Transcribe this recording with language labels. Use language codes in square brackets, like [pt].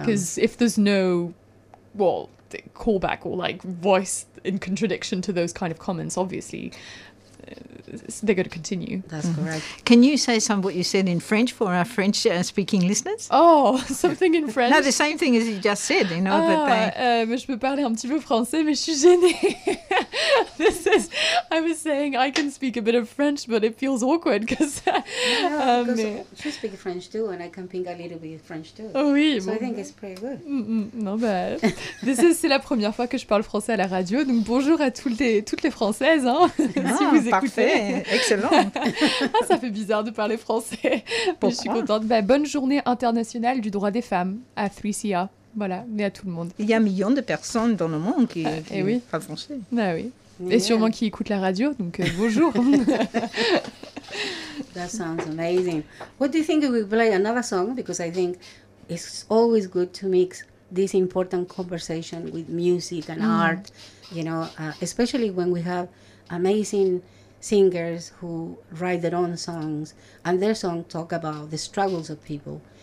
[en] Because if there's no, well, call back or like voice in contradiction to those kind of comments, obviously, they're going to continue. That's correct. Can you say some of what you said in French for our French speaking listeners? Oh, something in French. No, the same thing as you just said, you know. [fr] Je peux parler un petit peu français, mais je suis gênée. [en] This is, I was saying I can speak a bit of French, but it feels awkward because. Yeah, because she speaks French too, and I can ping a little bit of French too. [fr] Oh, oui. [en] So bon, I think it's pretty good. [fr] Non, bah. [en] This is, [fr] c'est la première fois que je parle français à la radio, donc bonjour à toutes les françaises, hein. Si vous écoutez. Parfait, excellent. Ah, ça fait bizarre de parler français. Pourquoi? Je suis contente. Bah, bonne journée internationale du droit des femmes à 3CR. Voilà, mais à tout le monde. Il y a millions de personnes dans le monde qui parlent oui. français. Ah oui. Et sûrement qui écoutent la radio, donc bonjour. [en] That sounds amazing. What do you think we play another song? Because I think it's always good to mix this important conversation with music and art, you know, especially when we have amazing singers who write their own songs and their song talk about the struggles of people.